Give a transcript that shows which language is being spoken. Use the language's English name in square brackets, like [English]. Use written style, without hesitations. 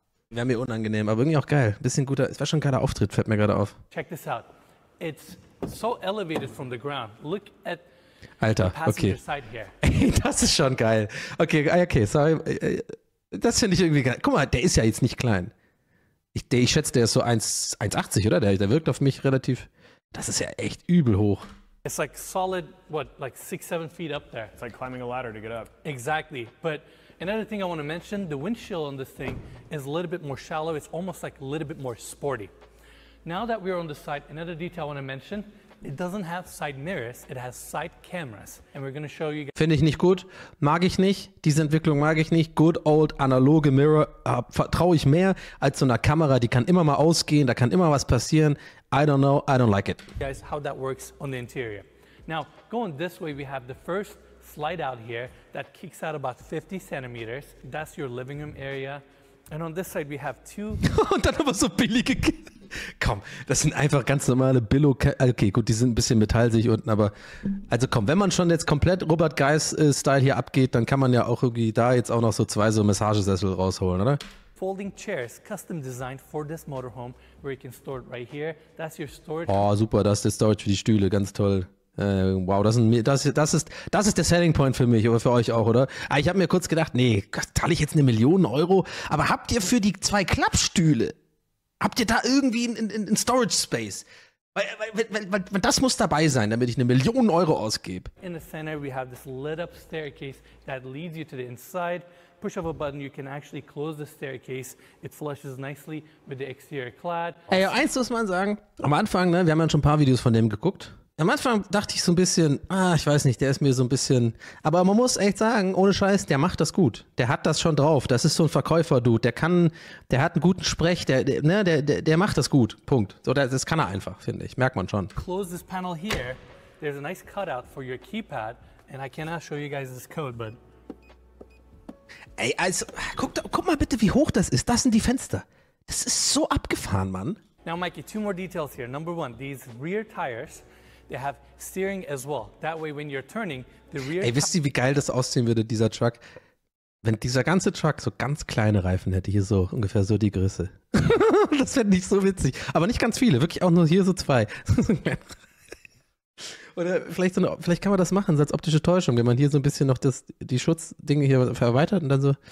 [German] Wäre mir unangenehm, aber irgendwie auch geil, bisschen guter, es war schon ein geiler Auftritt, fällt mir gerade auf. [English] Check this out, it's so elevated from the ground. Look at [German] Alter, [English] the passenger Side here. [German] Ey, das ist schon geil. Okay, sorry. Das finde ich irgendwie geil. Guck mal, der ist ja jetzt nicht klein. Ich schätze, der ist so 1,80, oder? Der wirkt auf mich relativ. Das ist ja echt übel hoch. [English] It's like solid, what, like 6-7 feet up there. It's like climbing a ladder to get up. Exactly. But another thing I want to mention, the windshield on this thing is a little bit more shallow. It's almost like a little bit more sporty. Now that we're on the side, another detail I want to mention, it doesn't have side mirrors, it has side cameras. And we're going to show you guys. [German] Finde ich nicht gut, mag ich nicht, diese Entwicklung mag ich nicht. [English] Good old [German] analoge Mirror, vertraue ich mehr als so einer Kamera, die kann immer mal ausgehen, da kann immer was passieren. [English] I don't know, I don't like it. Guys, how that works on the interior. Now, going this way, we have the first slide out here that kicks out about 50 centimeters. That's your living room area. And on this side, we have two... [German] Und dann aber so billige... Komm, das sind einfach ganz normale Billo. Okay, gut, die sind ein bisschen metallig unten, aber. Also komm, wenn man schon jetzt komplett Robert Geiss-Style hier abgeht, dann kann man ja auch irgendwie da jetzt auch noch so zwei so Massagesessel rausholen, oder? [English] Folding chairs, custom designed for this motorhome, where you can store it right here. That's your storage. [German] Oh, super, das ist der Storage für die Stühle, ganz toll. Wow, das ist der Selling Point für mich, aber für euch auch, oder? Ah, ich habe mir kurz gedacht, nee, zahle ich jetzt 1 Million Euro, aber habt ihr für die zwei Klappstühle? Habt ihr da irgendwie einen Storage Space? Weil das muss dabei sein, damit ich 1 Million Euro ausgebe. [English] In the center we have this lit up staircase that leads you to the inside. Push of a button, you can actually close the staircase. It flushes nicely with the exterior clad. [German] Ey, eins muss man sagen. Am Anfang, ne, wir haben ja schon ein paar Videos von dem geguckt. Am Anfang dachte ich so ein bisschen, ich weiß nicht, der ist mir so ein bisschen, aber man muss echt sagen, ohne Scheiß, der macht das gut. Der hat das schon drauf. Das ist so ein Verkäufer-Dude. Der kann, der hat einen guten Sprech, der macht das gut. Punkt. So, das kann er einfach, finde ich. Merkt man schon. [English] Close this panel here. There's a nice cutout for your keypad and I cannot show you guys this code, but [German] ey, also, guck mal bitte, wie hoch das ist. Das sind die Fenster. Das ist so abgefahren, Mann. [English] Now, Mikey, two more details here. Number one, these rear tires, they have steering as well. That way, when you're turning, the rear... [German] Ey, wisst ihr, wie geil das aussehen würde, dieser Truck? Wenn dieser ganze Truck so ganz kleine Reifen hätte, hier so ungefähr so die Größe. Das wäre nicht so witzig. Aber nicht ganz viele, wirklich auch nur hier so zwei. Oder vielleicht, so eine, vielleicht kann man das machen, so als optische Täuschung, wenn man hier so ein bisschen noch das, die Schutzdinge hier verweitert und dann so.